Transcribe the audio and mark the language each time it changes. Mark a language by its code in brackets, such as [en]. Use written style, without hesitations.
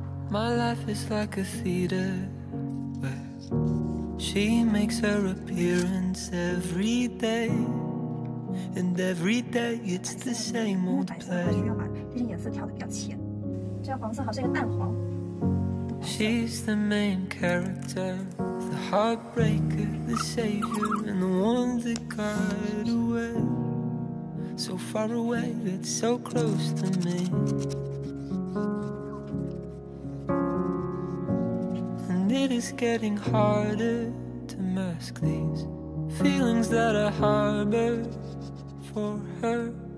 [en] My life is like a theater, where she makes her appearance every day, and every day it's the same old play. [zh] 这些颜色调的比较浅，这黄色好像一个淡黄。 [en] She's the main character, the heartbreaker, the savior, and the one that got away. So far away, yet so close to me. And it is getting harder to mask these feelings that I harbor for her.